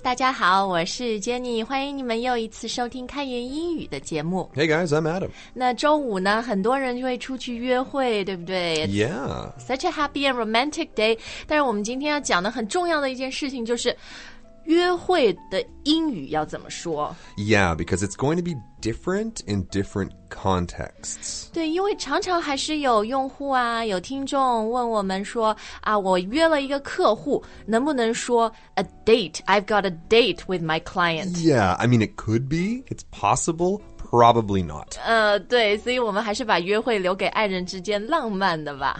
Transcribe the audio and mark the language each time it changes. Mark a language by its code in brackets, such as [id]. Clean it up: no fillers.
[zh] 大家好，我是 Jenny， 欢迎你们又一次收听开言英语的节目。 [en] Hey, guys, I'm Adam. [zh] 那周五呢，很多人就会出去约会，对不对？ [en] Yeah. Such a happy and romantic day. [zh] 但是我们今天要讲的很重要的一件事情就是约会的英语要怎么说。 [en] Yeah, because it's going to be different in different contexts. [zh] 对，因为常常还是有用户啊，有听众问我们说啊，我约了一个客户，能不能说 [en] a date? I've got a date with my client. Yeah, I mean, it could be. It's possible. Probably not. [zh] 对，所以我们还是把约会留给爱人之间浪漫的吧。